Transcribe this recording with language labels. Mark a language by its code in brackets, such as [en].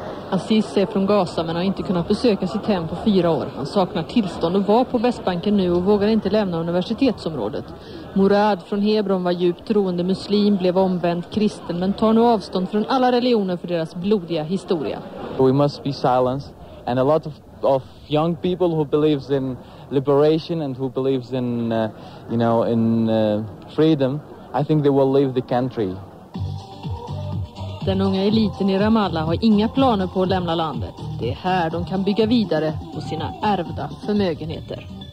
[sv] Aziz är från Gaza men har inte kunnat besöka sitt hem på 4 år. Han saknar tillstånd och var på Västbanken nu och vågar inte lämna universitetsområdet. Murad från Hebron var djupt troende muslim, blev omvänd kristen men tar nu avstånd från alla religioner för deras blodiga historia. [en] We must be silenced, and a lot of young people who believes in liberation and who believes in you know in freedom, I think they will leave the country. [sv] Den unga eliten i Ramallah har inga planer på att lämna landet. Det är här de kan bygga vidare på sina ärvda förmögenheter.